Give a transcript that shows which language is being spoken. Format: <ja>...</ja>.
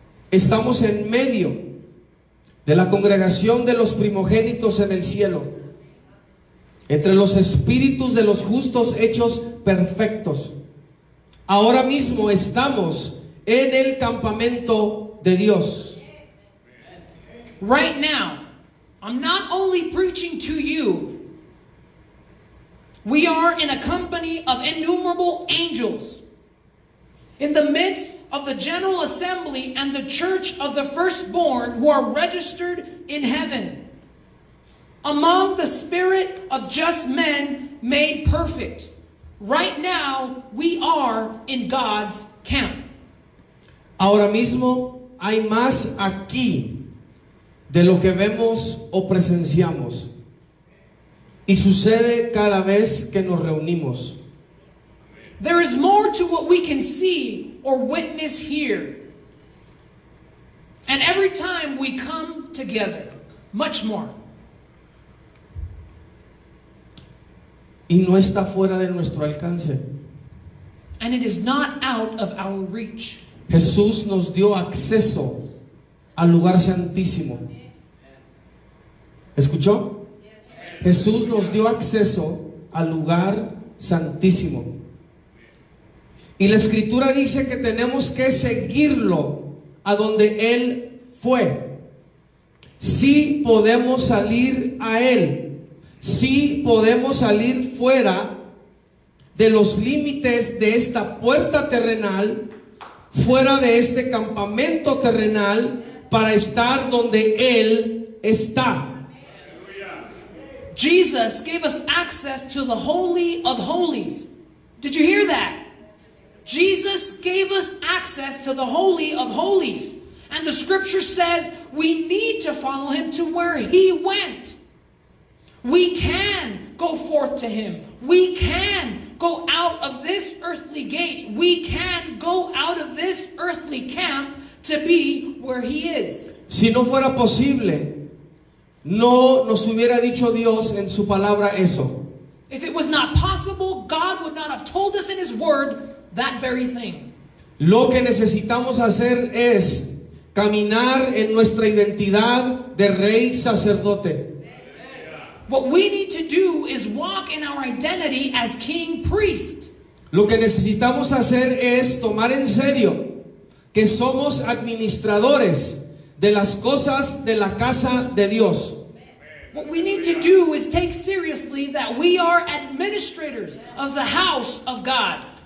<es>Estamos en medio de la congregación de los primogénitos en el cielo, entre los espíritus de los justos hechos perfectos. Ahora mismo estamos en el campamento de Dios.</es> <en>Right now, I'm not only preaching to you. We are in a company of innumerable angels. In the midst of the general assembly and the church of the firstborn who are registered in heaven. Among the spirit of just men made perfect. Right now, we are in God's camp.</en> <es>Ahora mismo hay más aquí de lo que vemos o presenciamos. Y sucede cada vez que nos reunimos.</es> <en>There is more to what we can see or witness here. And every time we come together, much more.</en> <es>Y no está fuera de nuestro alcance.</es> <en>And it is not out of our reach.</en> <es>Jesús nos dio acceso al lugar santísimo. ¿Escuchó? Jesús nos dio acceso al lugar santísimo. Y la escritura dice que tenemos que seguirlo a donde Él fue. Sí podemos salir a Él. Sí podemos salir fuera de los límites de esta puerta terrenal, fuera de este campamento terrenal, para estar donde Él está.</es> <en>Jesus gave us access to the Holy of Holies. Did you hear that? Jesus gave us access to the Holy of Holies. And the scripture says we need to follow him to where he went. We can go forth to him. We can go out of this earthly gate. We can go out of this earthly camp to be where he is.</en> <es>Si no fuera posible, no nos hubiera dicho Dios en su palabra eso.</es> <en>If it was not possible, God would not have told us in his word that very thing.</en> <es>Lo que necesitamos hacer es caminar en nuestra identidad de rey sacerdote.</es> <en>What we need to do is walk in our identity as king priest.</en> <es>Lo que necesitamos hacer es tomar en serio que somos administradores de las cosas de la casa de Dios.</es> <en>What we need to do is take seriously that we are administrators of the house of God.</en>